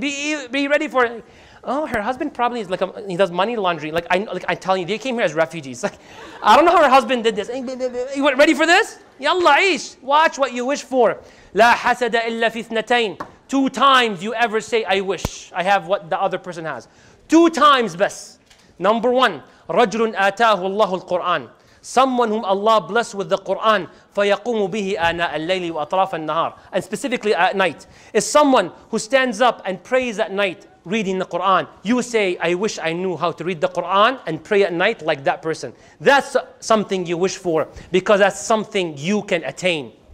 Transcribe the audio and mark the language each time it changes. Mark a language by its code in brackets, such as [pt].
[en] Be ready for it. Oh, her husband probably is like, he does money laundry. I'm telling you, they came here as refugees. Like, I don't know how her husband did this. You went ready for this? Yalla, ish. Watch what you wish for. [ar] La hasada illa fi thnatain. [en] Two times you ever say, I wish I have what the other person has. Two times best. Number one, [ar] رَجْلٌ آتَاهُ اللَّهُ الْقُرْآنِ. [en] Someone whom Allah blessed with the Qur'an, [ar] فَيَقُومُ بِهِ آنَاءَ اللَّيْلِ وَأَطْرَافَ النَّهَارِ. [en] And specifically at night. Is someone who stands up and prays at night reading the Qur'an. You say, I wish I knew how to read the Qur'an and pray at night like that person. That's something you wish for, because that's something you can attain.